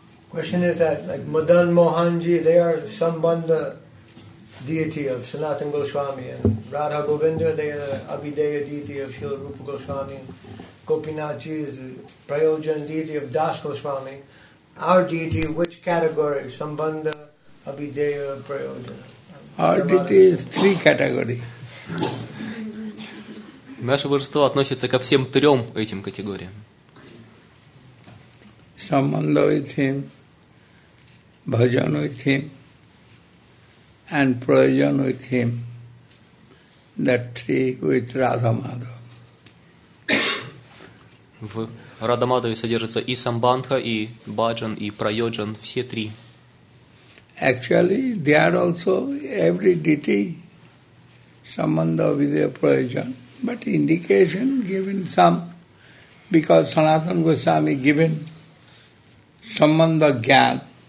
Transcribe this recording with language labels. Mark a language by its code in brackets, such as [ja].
[en] Question is that, like Madan Mohanji, they are Sambandha deity of Sanatana Goswami, and Radha Govinda, they are Abhideya deity of Srila Rupa Goswami, Gopinathji is Prayojan deity of Das Goswami. Our deity, which category? Sambandha, Abhideya, Prayojan? Our deity is three categories. [ru] Наше божество относится ко всем трем этим категориям. [en] Sambandha with him, bhajan with him, and prayojan with him. That three with Radha Madhava. [ru] В Радха Мадхаве содержится и самбандха, и баджан, и прайоджан, все три. [en] Actually, they are also every deity, sambandha, abhideya, prayojan. But indication given some, because Sanatana Goswami given sambandha gyan.